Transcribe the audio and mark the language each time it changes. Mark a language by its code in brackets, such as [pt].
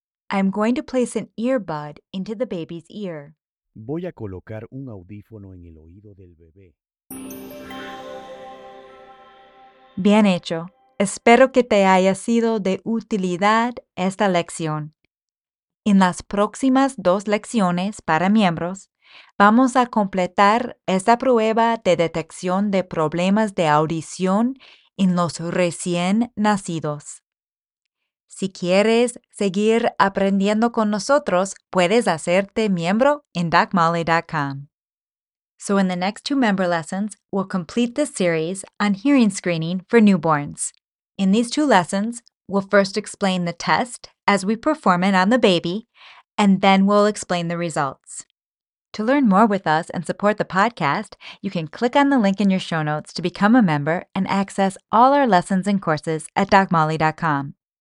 [en] I'm going to place an earbud into the baby's ear. [es] Voy a colocar un audífono en el oído del bebé. Bien hecho. Espero que te haya sido de utilidad esta lección. En las próximas dos lecciones para miembros, vamos a completar esta prueba de detección de problemas de audición en los recién nacidos. Si quieres seguir aprendiendo con nosotros, puedes hacerte miembro en DocMolly.com. [en] So in the next two member lessons, we'll complete this series on hearing screening for newborns. In these two lessons, we'll first explain the test as we perform it on the baby, and then we'll explain the results. To learn more with us and support the podcast, you can click on the link in your show notes to become a member and access all our lessons and courses at DocMolly.com.